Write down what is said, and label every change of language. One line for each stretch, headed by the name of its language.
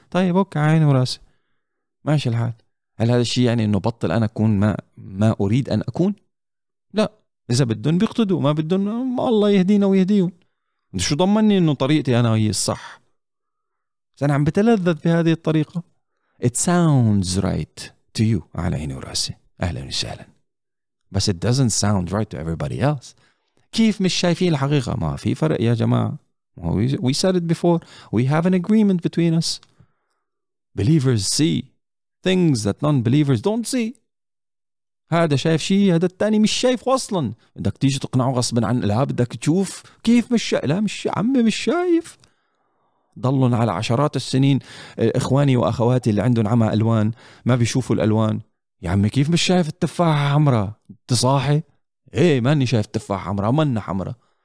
Arabic: طيب أوكي عيني وراسي ماشي الحال. هل هذا الشيء يعني أنه بطل أنا أكون ما أريد أن أكون؟ لا، إذا بدهم بيقتدوا، ما بدهم الله يهدينا ويهديهم. شو ضمني انه طريقتي انا هي الصح؟ انا عم بتلذذ بهذه الطريقة.
English: It sounds right to you،
Arabic: على عيني وراسي، اهلا وسهلا. بس
English: it doesn't sound right to everybody else.
Arabic: كيف مش شايفين الحقيقة؟ ما في فرق يا جماعة.
English: We said it before. We have an agreement between us. Believers see things that non-believers don't see.
Arabic: هذا شايف شيء، هذا الثاني مش شايف اصلا. بدك تيجي تقنعه غصب عن لا، بدك تشوف كيف مش شايف. لا مش عمي مش شايف. ضلن على عشرات السنين اخواني واخواتي اللي عندهم عمى الوان ما بيشوفوا الالوان. يا عمي كيف مش شايف التفاحه حمراء؟ تصاحي ايه ماني شايف التفاحه حمراء، منا حمراء.